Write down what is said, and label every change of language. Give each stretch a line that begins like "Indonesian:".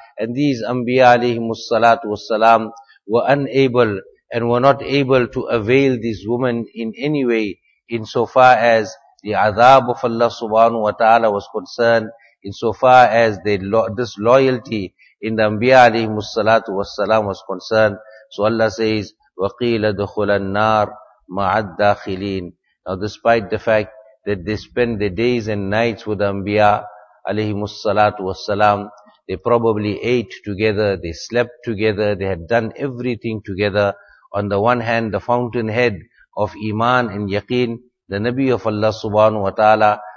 English: And these Anbiya alayhimu salatu wassalam were unable and were not able to avail these women in any way in so far as the azab of Allah subhanahu wa ta'ala was concerned, in so far as the disloyalty in the Anbiya alayhimu salatu wassalam was concerned. So Allah says,
Arabic: وَقِيلَ دُخُلَ النَّارِ مَعَ الدَّاخِلِينَ.
English: Now despite the fact that they spend the days and nights with the Anbiya alayhimu salatu wassalam, they probably ate together, they slept together, they had done everything together. On the one hand, the fountainhead of iman and yaqeen, the Nabi of Allah subhanahu wa ta'ala.